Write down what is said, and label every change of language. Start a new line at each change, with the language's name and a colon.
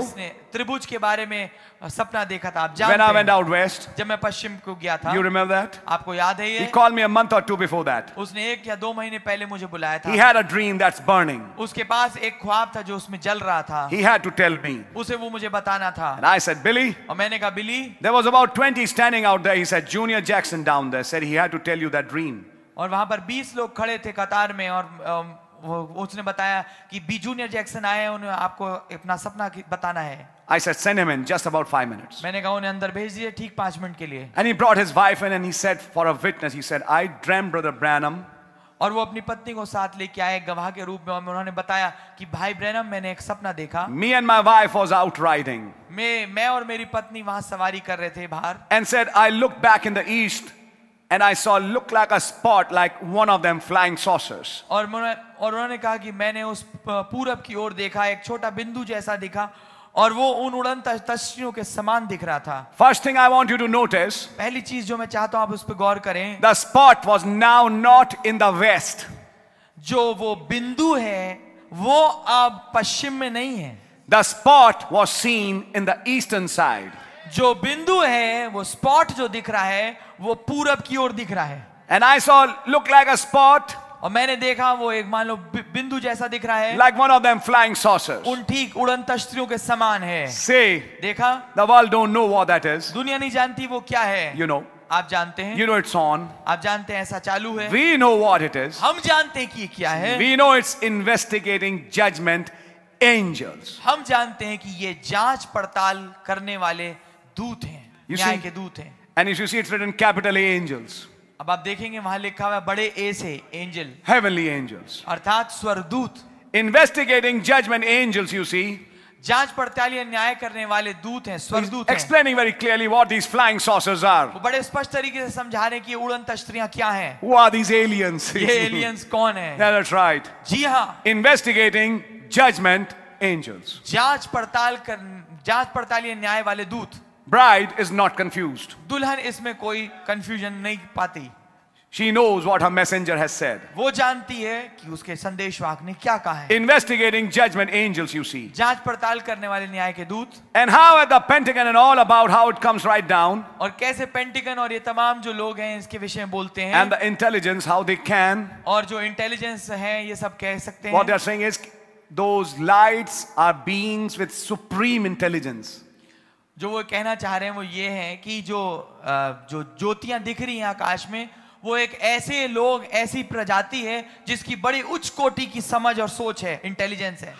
Hindi: जिसने त्रिभुज के बारे में सपना देखा था आप जानते हैं.
English: When I went out west.
Hindi: जब मैं पश्चिम को गया था.
English: You remember that?
Hindi: आपको याद है ये?
English: He called me a month or two before that.
Hindi: उसने एक या दो महीने पहले मुझे बुलाया था.
English: He had a dream that's burning.
Hindi: उसके पास एक ख्वाब था जो उसमें जल रहा था.
English: He had to tell me.
Hindi: उसे वो मुझे बताना था.
English: And I said, Billy.
Hindi: और मैंने कहा बिली.
English: There was about 20 standing out there. He said, Junior Jackson down there said he had to tell you that dream.
Hindi: और वहां पर 20 लोग खड़े थे कतार में और उसने बताया कि बी जूनियर जैक्सन आए हैं उन्हें आपको अपना सपना बताना है.
English: I said, send him in just about 5 minutes.
Hindi: मैंने कहा उन्हें अंदर भेज दिए ठीक 5 मिनट के लिए.
English: And he brought his wife in and he said for a witness, he said, I dreamt Brother Branham.
Hindi: और वो अपनी पत्नी को साथ लेके आए गवाह के रूप में और उन्होंने बताया कि भाई ब्रैनम मैंने एक सपना देखा.
English: Me and my wife was out riding.
Hindi: मैं और मेरी पत्नी वहां सवारी कर रहे थे बाहर.
English: And said, I looked back in the east. And I saw look like a spot like one of them flying saucers.
Hindi: और उन्होंने कहा कि मैंने उस पूरब की ओर देखा एक छोटा बिंदु जैसा दिखा और वो उन उड़नता तस्वीरों के समान दिख रहा था.
English: First thing I want you to notice.
Hindi: पहली चीज जो मैं चाहता हूँ आप उस पर गौर करें.
English: The spot was now not in the west.
Hindi: जो वो बिंदु है वो अब पश्चिम में नहीं है.
English: The spot was seen in the eastern side.
Hindi: जो बिंदु है वो स्पॉट जो दिख रहा है वो पूरब की ओर दिख रहा है.
English: And I saw look like a spot.
Hindi: और मैंने देखा वो एक मान लो बिंदु जैसा दिख रहा है.
English: Like one of them flying saucers.
Hindi: उन ठीक उड़ंत अस्त्रियों के समान है.
English: Say.
Hindi: देखा.
English: The world don't know what that is.
Hindi: दुनिया नहीं जानती वो क्या है.
English: You know.
Hindi: आप जानते हैं.
English: You know it's on.
Hindi: आप जानते हैं ऐसा चालू है.
English: We know what it is.
Hindi: हम जानते हैं कि ये क्या है.
English: We know it's investigating judgment angels.
Hindi: हम जानते हैं कि ये जांच पड़ताल करने वाले दूत हैं, न्याय के दूत हैं.
English: And if you see, it's written capital A angels.
Hindi: अब आप देखेंगे वहाँ लिखा हुआ बड़े A से angel.
English: Heavenly angels.
Hindi: अर्थात स्वर्गदूत.
English: Investigating judgment angels, you see.
Hindi: जांच पड़ताल या न्याय करने वाले दूत हैं, स्वर्गदूत.
English: Explaining very clearly what these flying saucers are.
Hindi: वो बड़े स्पष्ट तरीके से समझा रहे कि ये उड़न तश्तरियाँ क्या हैं.
English: Who are these aliens?
Hindi: ये aliens कौन हैं?
English: Yeah, that's right.
Hindi: जी हाँ.
English: Investigating judgment angels.
Hindi: जांच पड़ताल या न्याय वाले दूत.
English: Bride is not confused.
Hindi: दुल्हन इसमें कोई confusion नहीं पाती.
English: She knows what her messenger has said.
Hindi: वो जानती है कि उसके संदेशवाहक ने क्या कहा है.
English: Investigating judgment angels, you see.
Hindi: जांच पड़ताल करने वाले न्याय के दूत.
English: And how at the Pentagon and all about how it comes right down.
Hindi: और कैसे Pentagon और ये तमाम जो लोग हैं इसके विषय में बोलते हैं.
English: And the intelligence how they can.
Hindi: और जो intelligence है ये सब कह सकते हैं.
English: What they are saying is those lights are beings with supreme intelligence.
Hindi: जो वो कहना चाह रहे हैं वो ये है कि जो जो ज्योतियां दिख रही हैं आकाश में वो एक ऐसे लोग ऐसी प्रजाति है जिसकी बड़ी उच्च कोटि की समझ और सोच है, इंटेलिजेंस है.